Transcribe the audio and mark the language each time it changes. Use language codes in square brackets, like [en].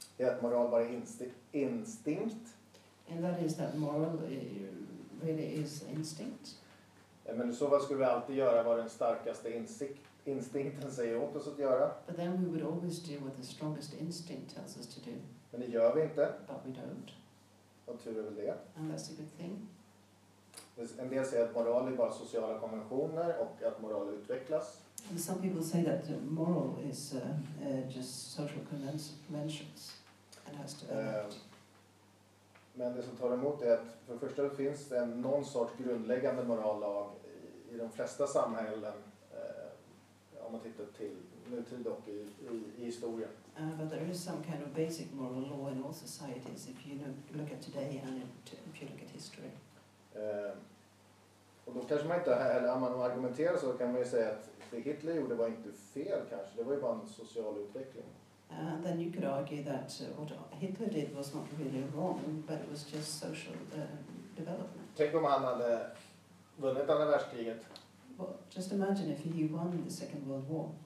[sv] Det är att moral bara instinkt. [en] And that is that moral really is instinct. [sv] Men så vad skulle vi alltid göra vad den starkaste instinkten säger åt oss att göra? [en] But then we would always do what the strongest instinct tells us to do. [sv] Men det gör vi inte. [en] But we don't. [sv] Och tur är väl det. [en] And that's a good thing. [sv] En del säger att moral är bara sociala konventioner och att moral utvecklas. [en] And some people say that moral is just social conventions and has to adapt. [sv] Men det som tar emot är att för första finns det en någon sorts grundläggande morallag i de flesta samhällen om man tittar till nutid och i historien. [en] But there is some kind of basic moral law in all societies if you look at today and if you look at history. [sv] Och då kanske man inte heller, om man argumenterar så kan man ju säga att det Hitler gjorde var inte fel kanske, det var ju bara en social utveckling. [en] And then you could argue that what Hitler did was not really wrong, but it was just social development. [sv] Tänk om han hade vunnit andra världskriget. [en] Well, just imagine if he won the Second World War.